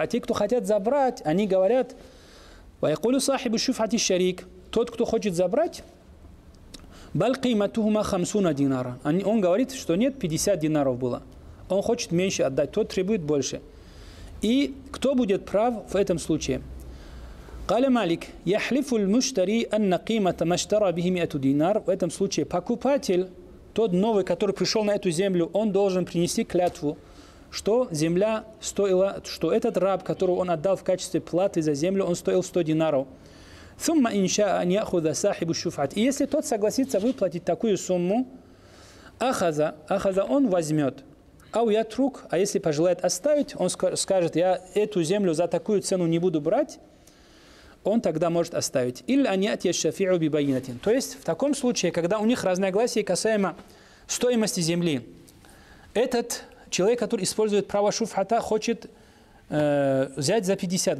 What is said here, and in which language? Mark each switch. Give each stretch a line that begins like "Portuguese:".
Russian: А те, кто хотят забрать, они говорят,
Arabic: «Ваякулю сахибу шуфа ти шарик».
Russian: Тот, кто хочет забрать,
Arabic: «Баль киматухума хамсуна динара».
Russian: Он говорит, что нет, 50 динаров было. Он хочет меньше отдать, тот требует больше. И кто будет прав в этом случае?
Arabic: قال مالك يحلف المشتري أن قيمة ما اشترى به 100 دينار.
Russian: В этом случае покупатель, тот новый, который пришел на эту землю, он должен принести клятву, что земля стоила, что этот раб, которого он отдал в качестве платы за землю, он стоил 100 динаров.
Arabic: ثم إن شاء أن يأخذ صاحب الشفعة.
Russian: И если тот согласится выплатить такую сумму,
Arabic: أخذ,
Russian: он возьмет.
Arabic: أو يترك,
Russian: а если пожелает оставить, он скажет, я эту землю за такую цену не буду брать. Он тогда может оставить. Или они отъезжают в Бибайнатин. То есть в таком случае, когда у них разногласия касаемо стоимости земли, этот человек, который использует право шуфхата, хочет взять за 50.